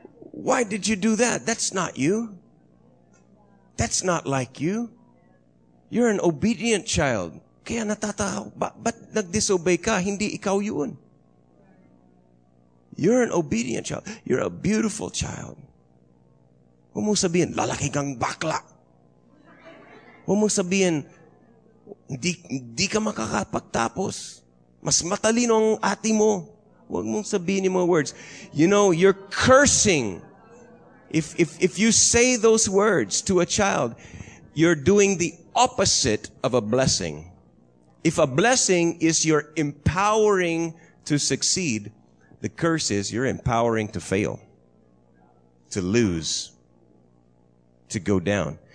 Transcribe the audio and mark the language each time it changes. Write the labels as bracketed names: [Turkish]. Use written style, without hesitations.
[English] Why did you do that? That's not you. That's not like you. You're an obedient child. [Filipino] Kaya natataka, ba't nag-disobey ka? Hindi ikaw yun. [English] You're an obedient child. You're a beautiful child. [Filipino] Huwag mo sabihin, lalaki kang bakla. Huwag mo sabihin, hindi ka makakapagtapos. Mas matalino ang ati mo. Huwag mong sabihin yung mga words. [English] You know, you're cursing. If you say those words to a child, you're doing the opposite of a blessing. If a blessing is you're empowering to succeed, the curse is you're empowering to fail, to lose, to go down.